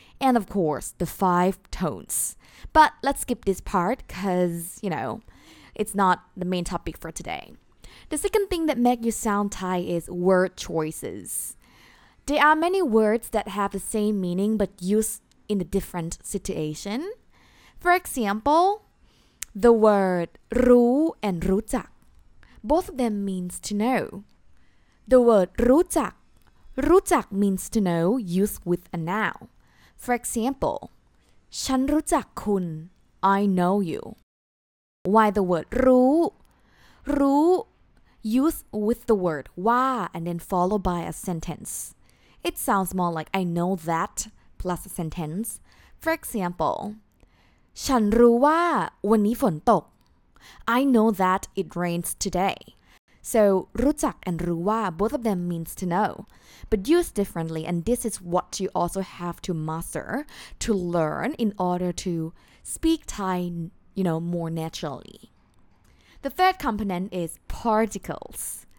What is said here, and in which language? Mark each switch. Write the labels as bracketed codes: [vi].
[en] And of course, the five tones. But let's skip this part because, you know,it's not the main topic for today. The second thing that makes you sound Thai is word choices. There are many words that have the same meaning but used in a different situation. For example, the word รู้ and รู้จัก. Both of them means to know. The word รู้จัก. รู้จัก means to know, used with a noun. For example, [th] ฉันรู้จักคุณ. [en] I know you. Why the word รู้ รู้ used with the word ว่า and then followed by a sentence. It sounds more like I know that plus a sentence. For example, [th] ฉันรู้ว่าวันนี้ฝนตก. [en] I know that it rains today. So รู้จัก and รู้ว่า both of them means to know, but used differently. And this is what you also have to master to learn in order to speak Thai. You know, more naturally. The third component is particles.